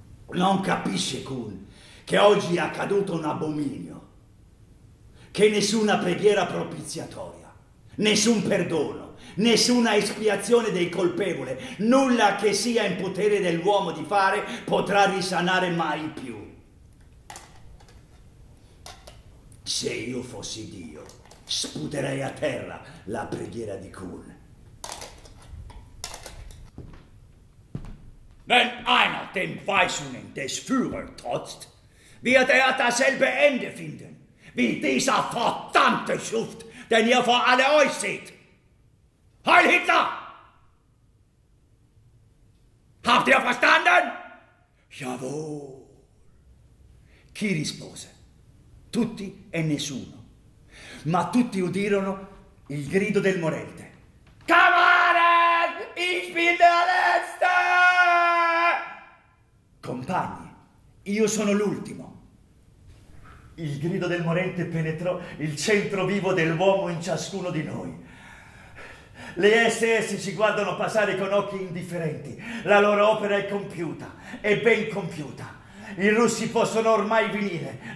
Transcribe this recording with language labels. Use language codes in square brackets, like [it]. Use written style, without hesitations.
[it] Non capisce Kuhn che oggi è accaduto un abominio, che nessuna preghiera propiziatoria, nessun perdono, nessuna espiazione dei colpevoli, nulla che sia in potere dell'uomo di fare, potrà risanare mai più. Se io fossi Dio, sputerei a terra la preghiera di Kuhn. [de] Wenn einer den Weisungen des Führer trotzt, wird dasselbe Ende finden, wie dieser verdammte Schuft, den ihr vor alle euch seht. Heil Hitler! Habt ihr verstanden? Jawohl. [it] Chi rispose? Tutti e nessuno. Ma tutti udirono il grido del morente. [de] Kameraden, ich bin der Letzte! [it] Compagni, io sono l'ultimo. Il grido del morente penetrò il centro vivo dell'uomo in ciascuno di noi. Le SS ci guardano passare con occhi indifferenti. La loro opera è compiuta, è ben compiuta. I russi possono ormai venire.